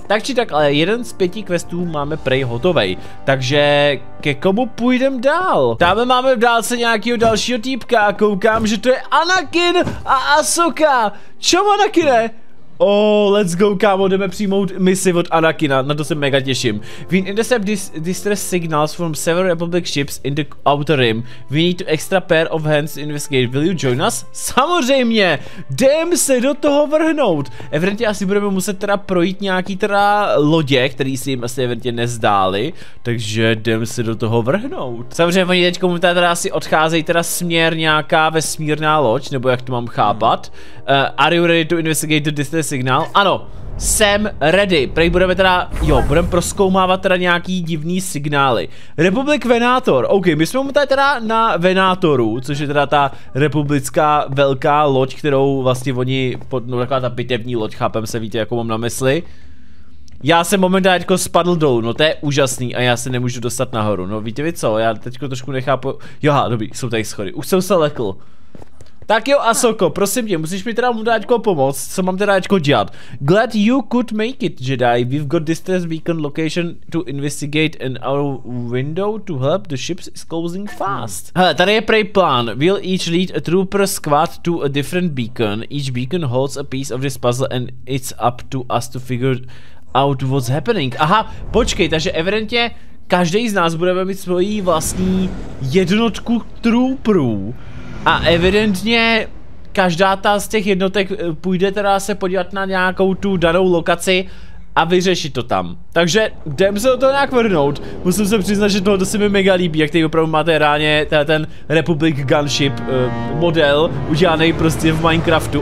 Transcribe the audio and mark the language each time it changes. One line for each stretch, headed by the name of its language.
Czech: Tak či tak, ale jeden z pěti questů máme prej hotovej, takže ke komu půjdem dál? Tam máme v dálce nějakého dalšího týpka a koukám, že to je Anakin a Ahsoka. Čau Anakine?
English: Oh, let's go,
Czech: kámo, jdeme přijmout misi od Anakina, na to se mega těším.
English: We intercept distress signals from several Republic ships in the Outer Rim. We need to extra pair of hands to investigate. Will you join us?
Czech: Samozřejmě, jdem se do toho vrhnout. Evidentně asi budeme muset teda projít nějaký teda lodě, který si jim asi evidentně nezdáli. Takže jdem se do toho vrhnout. Samozřejmě oni teď komu teda asi odcházejí teda směr nějaká vesmírná loď, nebo jak to mám chápat.
English: Are you ready to investigate the distress signál?
Czech: Ano, jsem ready. Prej budeme teda, jo, budeme prozkoumávat teda nějaký divný signály. Republik Venator, OK, my jsme mu tady teda na Venatoru, což je teda ta republická velká loď, kterou vlastně oni, no taková ta bitevní loď, chápem se, víte, jako mám na mysli. Já jsem momentálně teďko spadl dolů, no to je úžasný a já se nemůžu dostat nahoru, no víte vy co, já teďko trošku nechápu, jo, dobrý, jsou tady schody, už jsem se lekl. Tak jo, Ahsoko, prosím tě, musíš mi teda mu dát pomoc, co mám teda dělat?
English: Glad you could make it, Jedi. We've got distress beacon location to investigate and our window to help. The ships is closing fast.
Czech: Hele, tady je prej plán.
English: We'll each lead a trooper squad to a different beacon. Each beacon holds a piece of this puzzle and it's up to us to figure out what's happening.
Czech: Aha, počkej, takže evidentně každý z nás budeme mít svoji vlastní jednotku trooperů. A evidentně každá ta z těch jednotek půjde teda se podívat na nějakou tu danou lokaci a vyřešit to tam. Takže jdem se do toho nějak vrhnout. Musím se přiznat, že tohle se mi mega líbí, jak tady opravdu máte reálně ten Republic Gunship model udělaný prostě v Minecraftu.